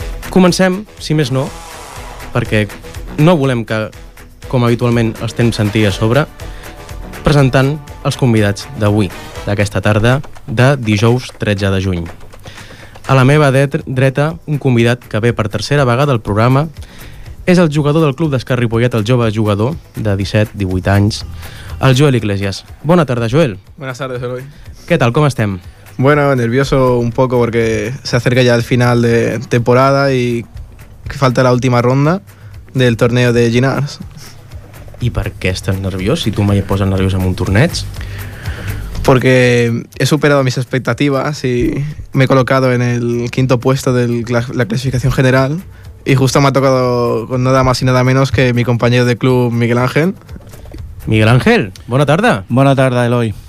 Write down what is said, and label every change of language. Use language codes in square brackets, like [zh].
[ca] Comencem, si més no, perquè no volem que, com habitualment els tenim sentir a sobre, presentant els convidats d'avui, d'aquesta tarda, de dijous 13 de juny. A la meva dreta, un convidat que ve per tercera vegada al programa. És el jugador del Club d'Escacs Ripollet, el jove jugador de 17-18 anys, el Joel Iglesias. Bona tarda, Joel. [es] Buenas tardes, Eloy. [ca] Què tal, com estem? [es] Bueno, nervioso un poco porque se acerca ya el final de temporada y falta la última ronda del torneo de Ginars. [ca] I per què estàs nerviós si tu mai et poses nerviós en un torneig? [es] Porque he superado mis expectativas y me he colocado en el quinto puesto de la clasificación general. Y justo me ha tocado con nada más y nada menos que mi compañero de club, Miguel Ángel. [ca] Miguel Ángel, bona tarda. Bona tarda, Eloi.